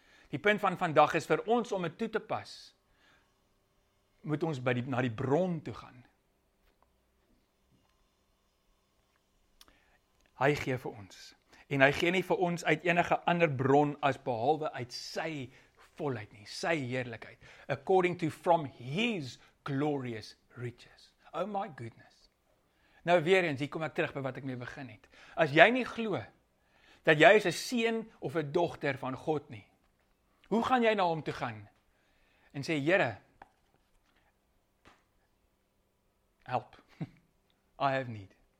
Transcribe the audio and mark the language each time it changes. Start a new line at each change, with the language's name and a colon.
Afrikaans: Die punt van vandag is vir ons om dit toe te pas. Moet ons by die na die bron toe gaan. Hy gee vir ons. En hy gee nie vir ons uit enige ander bron as behalwe uit sy volheid nie, sy heerlikheid.
English: According to from his glorious riches. Oh my goodness.
Afrikaans: Nou weer eens, hier kom ek terug by wat ek mee begin het. As jy nie glo dat jy is 'n seun of 'n dogter van God nie, hoe gaan jy na hom toe gaan? En sê, Here, help.
English: I have need.